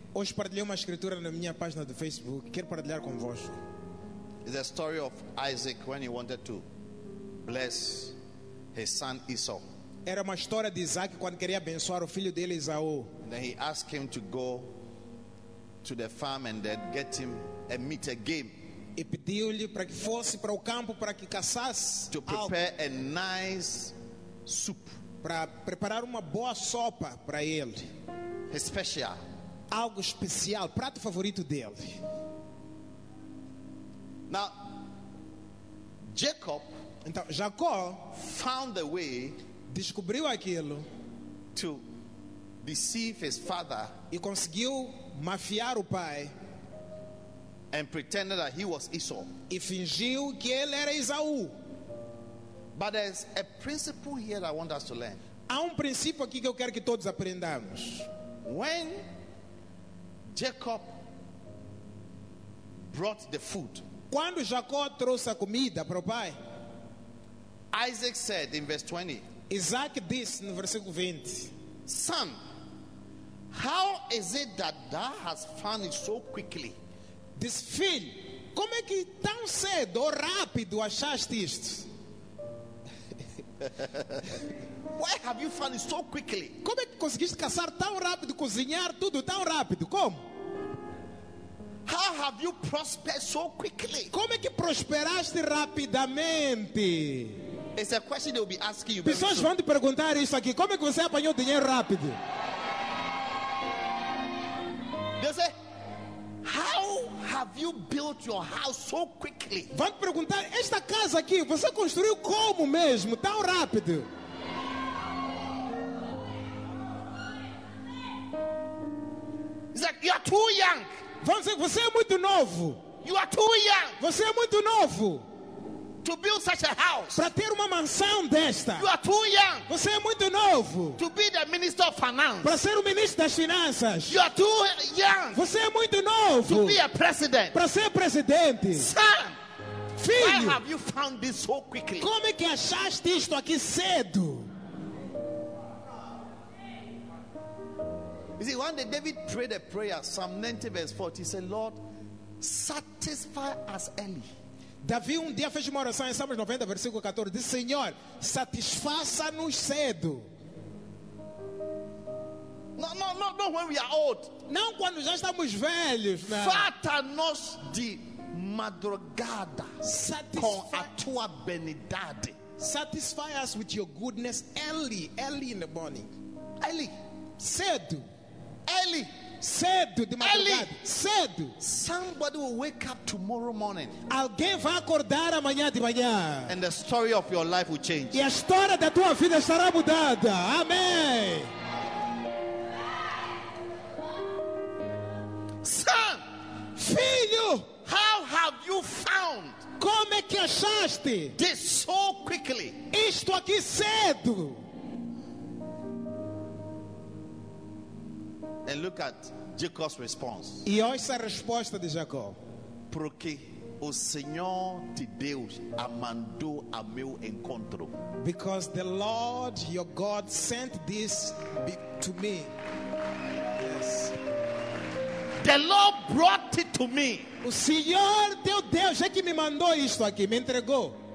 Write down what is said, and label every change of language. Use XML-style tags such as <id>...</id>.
<pt>Hoje partilhei uma escritura na minha página do Facebook. Quero partilhar convosco.</pt> <en>It's a story of Isaac when he wanted to bless his son Esau.</en> <pt>Era uma história de Isaac quando queria abençoar o filho dele Esaú.</pt> <en>Then he asked him to go to the farm and then get him a meat, a game.</en> <pt>E pediu-lhe para que fosse para o campo para que caçasse.</pt> <en>To prepare a nice soup.</en> <pt>Para preparar uma boa sopa para ele. Especial. Algo especial, prato favorito dele.</pt> <en>Now, Jacob.</en> <pt>Então, Jacó</pt> <en>found a way.</en> <pt>Descobriu aquilo.</pt> <en>To deceive his father.</en> <pt>E conseguiu mafiar o pai.</pt> <en>And pretended that he was Esau.</en> <pt>E fingiu que ele era Esaú.</pt> <en>But there's a principle here that I want us to learn.</en> <pt>Há princípio aqui que eu quero que todos aprendamos.</pt> <en>When Jacob brought the food.</en> <pt>Quando Jacó trouxe a comida para o pai.</pt> <en>Isaac said in verse 20.</en> <pt>Isaac disse no versículo 20.</pt> <en>Son, how is it that thou hast found it so quickly?</en> <pt>Diz, filho, como é que tão cedo ou rápido achaste isto?</pt> <en>Where have you found it so quickly?</en> <pt>Como é que conseguiste caçar tão rápido, cozinhar tudo tão rápido? Como?</pt> <en>How have you prospered so quickly?</en> <pt>Como é que prosperaste rapidamente?</pt> <en>It's a question they'll be asking you.</en> <pt>Pessoas vão te perguntar isso aqui. Como é que você apanhou dinheiro rápido?</pt> <en>They say, how have you built your house so quickly?</en> <pt>Vão te perguntar esta casa aqui. Você construiu como mesmo tão rápido?</pt> <en>It's like you are too young.</en> <pt>Vão dizer que você é muito novo.</pt> <en>You are too young.</en> <pt>Você é muito novo.</pt> <en>To build such a house.</en> <pt>Para ter uma mansão desta.</pt> <en>You are too young.</en> <pt>Você é muito novo.</pt> <en>To be the minister of finance.</en> <pt>Para ser o ministro das finanças.</pt> <en>You are too young.</en> <pt>Você é muito novo.</pt> <en>To be a president.</en> <pt>Para ser presidente.</pt> <en>Son,</en> <pt>filho,</pt> <en>why have you found this so quickly?</en> <pt>Como é que achaste isto aqui cedo?</pt> <en>You see, one day David prayed a prayer, Psalm 90 verse 40. He said, Lord, satisfy us early.</en> <pt>Davi um dia fez uma oração em Salmos 90, versículo 14. Diz, Senhor, satisfaça-nos cedo. Not when we are old. Não quando já estamos velhos. Fata-nos de madrugada. Satisfaz-nos com a tua benidade.</pt> <en>Satisfy us with your goodness early in the morning. Early.</en> <pt>Cedo.</pt> <en>Early.</en> <pt>Cedo de madrugada.</pt> <en>Early.</en> <pt>Cedo.</pt> <en>Somebody will wake up tomorrow morning.</en> <pt>Alguém vai acordar amanhã de manhã.</pt> <en>And the story of your life will change.</en> <pt>E a história da tua vida estará mudada. Amém.</pt> <en>Son,</en> <pt>filho,</pt> <en>how have you found?</en> <pt>Como é que achaste?</pt> <en>This so quickly.</en> <pt>Isto aqui cedo.</pt> <en>And look at Jacob's response.</en> <pt>E olha a resposta de Jacó. Porque o Senhor de Deus a mandou a meu encontro.</pt> <en>Because the Lord your God sent this to me. Yes. The Lord brought it to me.</en> <pt>O Senhor teu Deus é que me mandou isto aqui, me entregou.</pt>